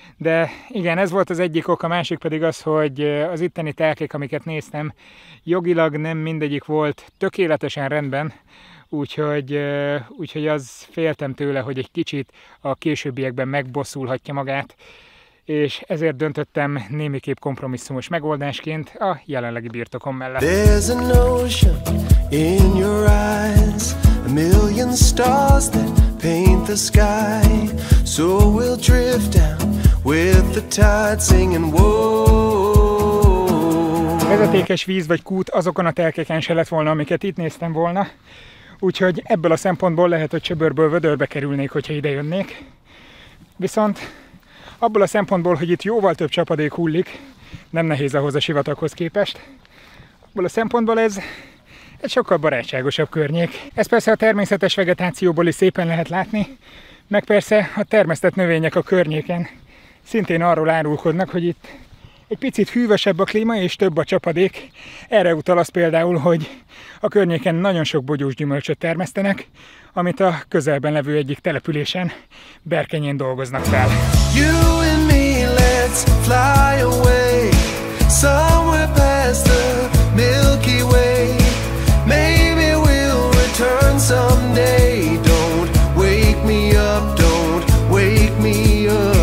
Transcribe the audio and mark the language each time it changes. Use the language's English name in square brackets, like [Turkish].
[Hungarian] De igen, ez volt az egyik ok, a másik pedig az, hogy az itteni telkek, amiket néztem, jogilag nem mindegyik volt tökéletesen rendben, úgyhogy az féltem tőle, hogy egy kicsit a későbbiekben megbosszulhatja magát, és ezért döntöttem némiképp kompromisszumos megoldásként a jelenlegi birtokom mellett. [English] There's an ocean in your eyes, a million stars that paint the sky, so we'll drift down with the tide singing whoa. [Hungarian] Vezetékes víz vagy kút azokon a telkeken se lett volna, amiket itt néztem volna, úgyhogy ebből a szempontból lehet, hogy csöbörből vödörbe kerülnék, hogyha ide jönnék. Viszont abból a szempontból, hogy itt jóval több csapadék hullik, nem nehéz ahhoz a sivatagokhoz képest, abból a szempontból ez sokkal barátságosabb környék. Ez persze a természetes vegetációból is szépen lehet látni, meg persze a termesztett növények a környéken szintén arról árulkodnak, hogy itt egy picit hűvösebb a klíma és több a csapadék. Erre utal az például, hogy a környéken nagyon sok bogyós gyümölcsöt termesztenek, amit a közelben levő egyik településen, Berkenyén dolgoznak fel. [English] You and me, let's fly away, somewhere past the Milky Way. Maybe we'll return someday. Don't wake me up, don't wake me up.